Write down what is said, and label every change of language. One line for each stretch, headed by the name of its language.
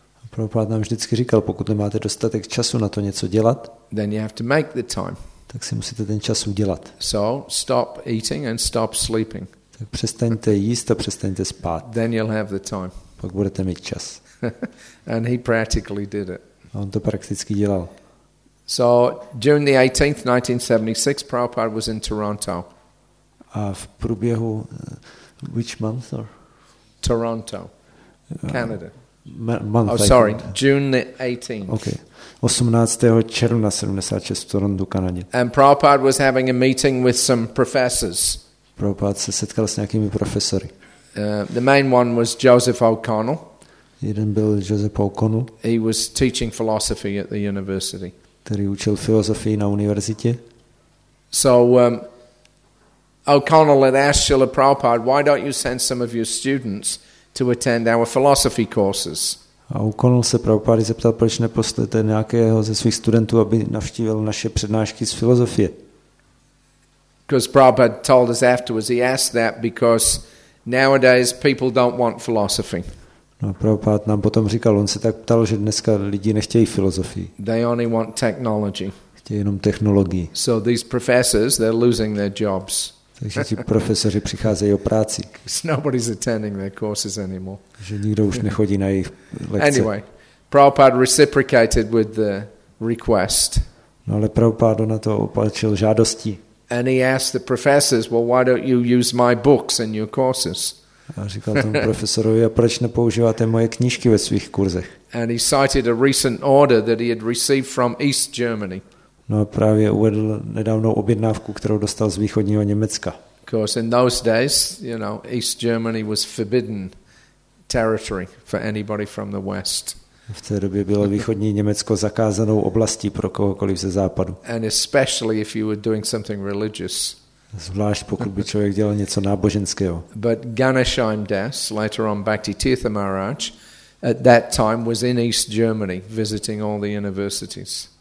Czech: Prabhupád nám vždycky říkal, pokud nemáte dostatek času na to něco dělat,
English: then you have to make the time.
Czech: Tak si musíte ten čas udělat.
English: So stop eating and stop sleeping.
Czech: Tak přestaňte jíst a přestaňte spát.
English: Then you'll have the time.
Czech: Pak budete mít čas.
English: And he practically did it.
Czech: A on to prakticky dělal.
English: So June the 18th, 1976, Prabhupada was in Toronto.
Czech: A v průběhu
English: which month or? Toronto, Canada. Month, oh, sorry, June the 18th. Okay. 18.
Czech: června 76 v Torontu, Kanadě.
English: And Prabhupada was having a meeting with some professors.
Czech: Prabhupada se setkal s nějakými profesory.
English: The main one was Joseph O'Connell.
Czech: Jeden byl Joseph O'Connell.
English: He was teaching philosophy at the university.
Czech: Který učil filozofii na univerzitě.
English: So O'Connell had asked Srila Prabhupada, why don't you send some of your students to attend our philosophy courses?
Czech: A O'Connell se Prabhupády zeptal, proč neposlete nějakého ze svých studentů, aby navštívil naše přednášky z filozofie.
English: Because Prabhupada told us afterwards, he asked that because nowadays people don't want philosophy.
Czech: No, Prabhupád nám potom říkal, on se tak ptal, že dneska lidi nechtějí filozofii.
English: They only want technology.
Czech: Chtějí jenom technologii.
English: So these professors, they're losing their jobs.
Czech: Takže ti profesoři přicházejí o práci.
English: Nobody's attending their courses anymore.
Czech: Že nikdo už nechodí na jejich lekce.
English: Anyway, Prabhupada reciprocated with the request.
Czech: No, ale Prabhupada na to opatřil žádostí.
English: And he asked the professors, well, why don't you use my books in your courses?
Czech: A říkal tomu profesorovi, a proč nepoužíváte moje knížky ve svých kurzech?
English: And he cited a recent order that he had received from East Germany.
Czech: No a právě uvedl nedávnou objednávku, kterou dostal z východního Německa.
English: Because in those days, you know, East Germany was forbidden territory for anybody from the West.
Czech: V té době bylo východní Německo zakázanou oblastí pro kohokoliv ze západu.
English: And especially if you were doing something religious.
Czech: Zvlášť pokud by člověk dělal něco náboženského.
English: But Ghanshyam Das, later on Bhaktitirtha Maharaj, at that time was in East Germany visiting all the universities.